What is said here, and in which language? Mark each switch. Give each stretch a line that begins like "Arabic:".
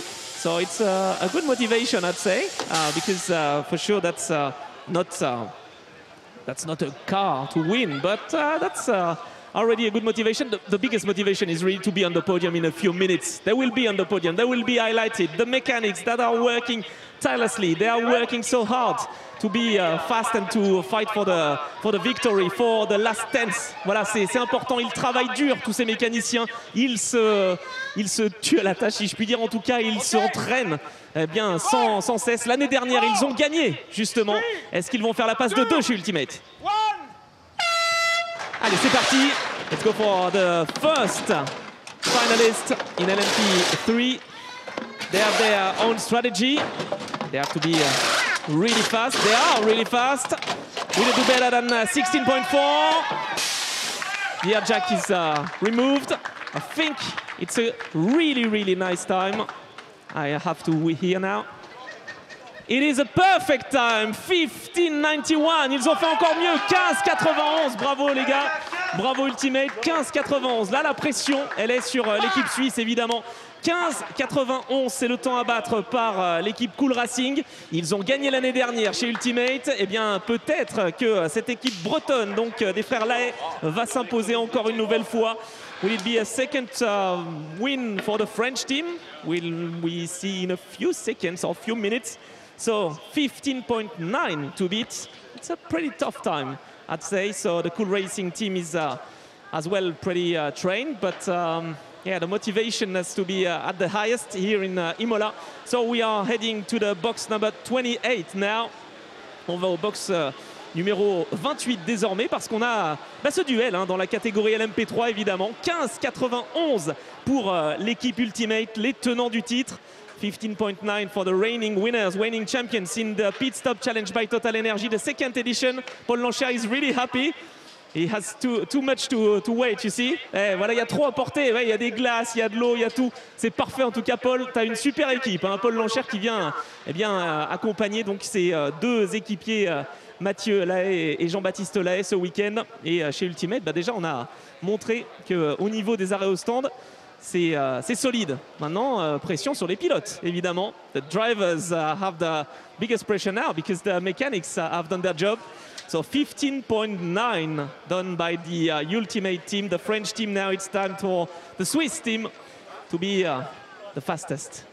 English: So it's a good motivation, I'd say, because for sure that's not a car to win, but that's already a good motivation. The biggest motivation is really to be on the podium in a few minutes. They will be on the podium. They will be highlighted. The mechanics that are working tirelessly, they are working so hard to be fast and to fight for the victory, for the last tenth.
French: Voilà, c'est important. Ils travaillent dur, tous ces mécaniciens. Ils se tuent à la tâche, si je puis dire. En tout cas, ils s'entraînent eh bien sans cesse. L'année dernière, ils ont gagné, justement. Est-ce qu'ils vont faire la passe de deux chez Ultimate? Allez, c'est parti.
English: Let's go for the first finalist in LMP3. They have their own strategy. They have to be really fast. They are really fast. Will they do better than 16.4? The air jack is removed. I think it's a really, really nice time. I have to wait here now. It is a perfect time, 15.91.
French: Ils ont fait encore mieux, 15.91. Bravo les gars, bravo Ultimate, 15.91. Là, la pression, elle est sur l'équipe suisse, évidemment. 15.91, c'est le temps à battre par l'équipe Cool Racing. Ils ont gagné l'année dernière chez Ultimate. Eh bien, peut-être que cette équipe bretonne, donc des frères Lahaye, va s'imposer encore une nouvelle fois.
English: Will it be a second win for the French team? Will we see in a few seconds or a few minutes? So 15.9 to beat. It's a pretty tough time, I'd say. So the Cool Racing team is as well pretty trained, but yeah, the motivation has to be at the highest here in Imola. So we are heading to the box number 28 now.
French: On va au box numéro 28 désormais, parce qu'on a ce duel hein, dans la catégorie LMP3, évidemment. 15.91 pour l'équipe Ultimate, les tenants du titre.
English: 15.9 for the reigning winners, reigning champions in the Pit Stop Challenge by TotalEnergies, the second edition. Paul Lanchard is really happy. He has too much to wait, you see.
French: Eh, voilà, il y a trop à porter. Ouais, il y a des glaces, il y a de l'eau, il y a tout. C'est parfait en tout cas, Paul. Tu as une super équipe. Hein, Paul Lanchère qui vient accompagner donc ses deux équipiers, Mathieu Lahaye et Jean-Baptiste Lahaye, ce week-end. Et chez Ultimate, bah, déjà, on a montré qu'au niveau des arrêts au stand, c'est solide. Maintenant, pression sur les pilotes, évidemment.
English: The drivers have the biggest pressure now because the mechanics have done their job. So 15.9 done by the Ultimate team, the French team. Now it's time for the Swiss team to be the fastest.